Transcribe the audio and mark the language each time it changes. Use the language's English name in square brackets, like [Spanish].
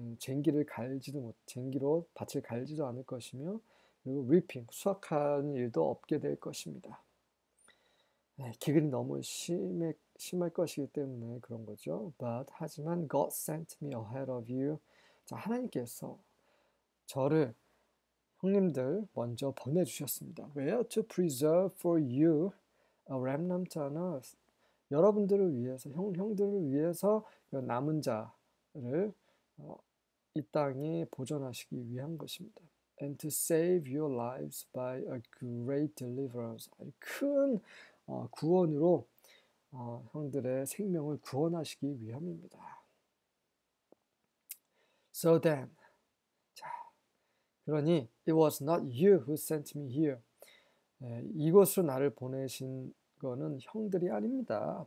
[Korean] 쟁기를 갈지도 못, 쟁기로 밭을 갈지도 않을 것이며 그리고 reaping, 수확하는 일도 없게 될 것입니다. 기근이 너무 심할 것이기 때문에 그런 거죠. [English] But [Korean] 하지만 [English] God sent me ahead of you. [Korean] 하나님께서 저를 형님들 먼저 보내주셨습니다. [English] Where to preserve for you a remnant on earth? [Korean] 여러분들을 위해서, 형들을 위해서 남은 자를 이 땅에 보존하시기 위한 것입니다. [English] And to save your lives by a great deliverance. [Korean] 큰 구원으로 형들의 생명을 구원하시기 위함입니다. [English] So then, [Korean] 그러니 [English] it was not you who sent me here. [Korean] 이곳으로 나를 보내신 거는 형들이 아닙니다.